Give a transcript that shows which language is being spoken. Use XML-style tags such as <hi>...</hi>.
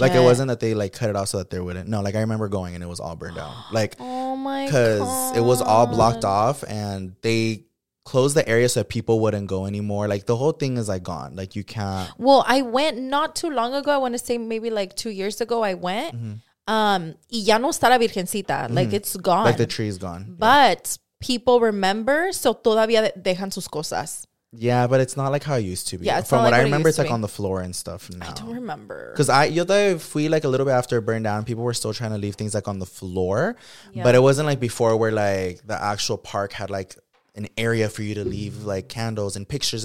<en>Like, it wasn't that they, like, cut it off so that there wouldn't. No, like, I remember going and it was all burned down. Like, oh, my God. Because it was all blocked off and they closed the area so that people wouldn't go anymore. Like, the whole thing is, like, gone. Like, you can't. Well, I went not too long ago. I want to say maybe, like, 2 years ago I went.</en> <es>Y ya no está la Virgencita. Like, it's gone.</es> <en>Like, the tree's gone. But people remember, so todavía dejan sus cosas. Yeah, but it's not like how it used to be. Yeah, from what I remember, it's like on the floor and stuff now. I don't remember. Because I, like, a little bit after it burned down, people were still trying to leave things, like, on the floor. Yeah. But it wasn't like before where, like, the actual park had, like, an area for you to leave, like, candles and pictures.</en>